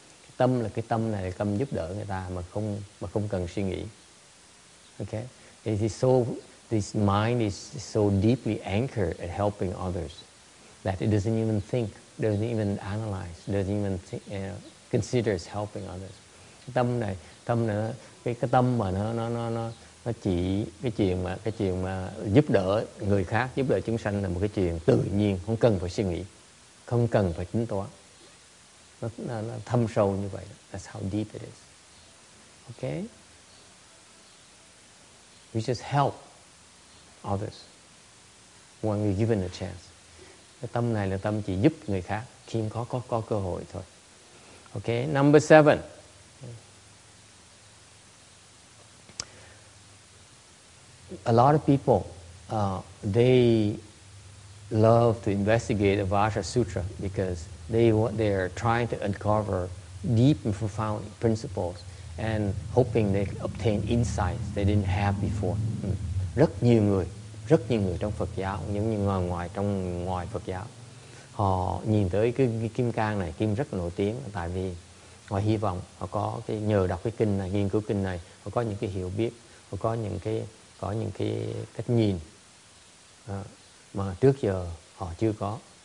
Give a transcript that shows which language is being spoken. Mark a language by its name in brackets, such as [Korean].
[Vietnamese] Cái tâm là cái tâm này, cái tâm giúp đỡ người ta mà không cần suy nghĩ. [English] Okay, it is so. This mind is so deeply anchored at helping others that it doesn't even think, doesn't even analyze, doesn't even consider it's helping others. [Vietnamese] Tâm này, cái tâm mà nó chỉ cái chuyện mà giúp đỡ người khác, giúp đỡ chúng sanh là một cái chuyện tự nhiên, không cần phải suy nghĩ, không cần phải tính toán. Nó thâm sâu như vậy. [English] That's how deep it is. Okay? We just help others when we're given a chance. [Vietnamese] Cái tâm này là tâm chỉ giúp người khác khi có cơ hội thôi. [English] Okay, number 7. A lot of people, they love to investigate the Vajra Sutra because they are trying to uncover deep and profound principles and hoping they obtain insights they didn't have before. [Vietnamese] Rất nhiều người trong Phật giáo, giống như ngoài Phật giáo, họ nhìn tới cái kim cang này, kim rất nổi tiếng, tại vì họ hy vọng họ có cái nhờ đọc cái kinh này, nghiên cứu kinh này, họ có những cái hiểu biết, họ có những cái cách nhìn mà trước giờ họ chưa có.